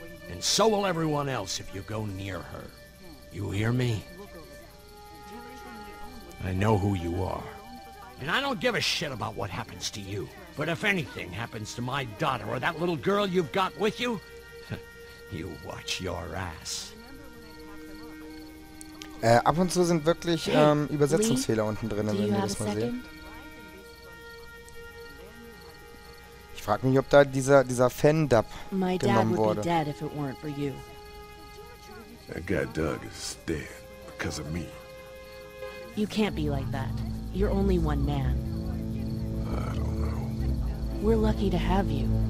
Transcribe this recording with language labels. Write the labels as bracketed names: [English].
[English] And so will everyone else if you go near her. You hear me? I know who you are. And I don't give a shit about what happens to you. But if anything happens to my daughter or that little girl you've got with you, you watch your ass. [German] Ab und zu sind wirklich Übersetzungsfehler unten drin, wenn ihr das mal seht. Ich frage mich, ob da dieser Fan-Dub genommen wurde. [English] My dad would be dead if it weren't for you. That guy Doug is dead because of me. You can't be like that. You're only one man. I don't know. We're lucky to have you.